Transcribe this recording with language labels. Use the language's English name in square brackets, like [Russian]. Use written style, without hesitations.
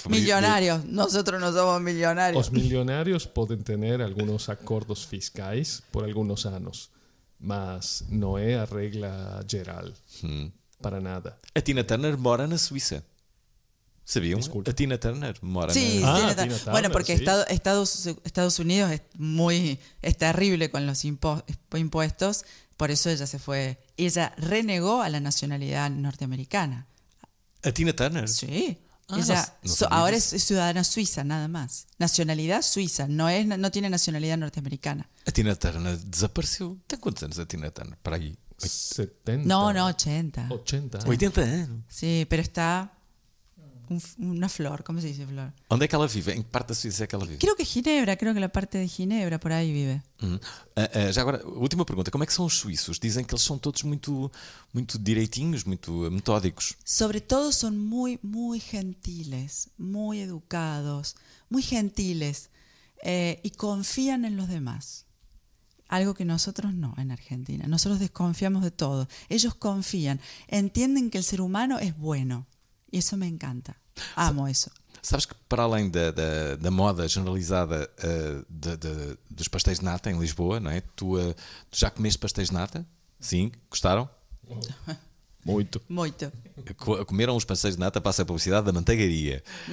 [Portuguese] Milionários. Nosotros não somos milionários. Os milionários podem ter alguns acordos fiscais por alguns anos, mas não é a regra geral. Para nada. A Tina Turner mora na Suíça. Sabiam? Desculpa. A Tina Turner mora [Spanish] sí, [Portuguese] na Suíça. Tina Turner. [Spanish] Bueno, porque sí. Estados Unidos es terrible con los impuestos, por eso ella se fue. Ella renegó a la nacionalidad norteamericana. ¿A Tina Turner? Sí. Ahora es ciudadana suiza, nada más. Nacionalidad suiza, no tiene nacionalidad norteamericana. ¿A Tina Turner desapareció? ¿Ten cuántos años a Tina Turner? Por ahí. 70. No, 80. 80. 80, ¿eh? Sí, pero está una flor. ¿Cómo se dice flor? ¿Dónde es que ella vive? ¿En qué parte de Suiza es que ella vive? Creo que Ginebra, creo que la parte de Ginebra, por ahí vive. [Portuguese] Já agora, última pergunta. [Spanish] ¿Cómo es que son los suizos? Dicen que ellos son todos muy, muy direitinhos, muy metódicos. Sobre todo son muy, muy gentiles, muy educados, muy gentiles y confían en los demás. Algo que nosotros no, en Argentina. Nosotros desconfiamos de todo. Ellos confían. Entienden que el ser humano es bueno. Y eso me encanta. Amo eso. [Portuguese] Sabes que para além da moda generalizada dos pastéis de nata em Lisboa, não é? Tu já comeste pastéis de nata? Sim? Gostaram? Muito. Muito. Comeram os pastéis de nata para a publicidade da Manteigaria.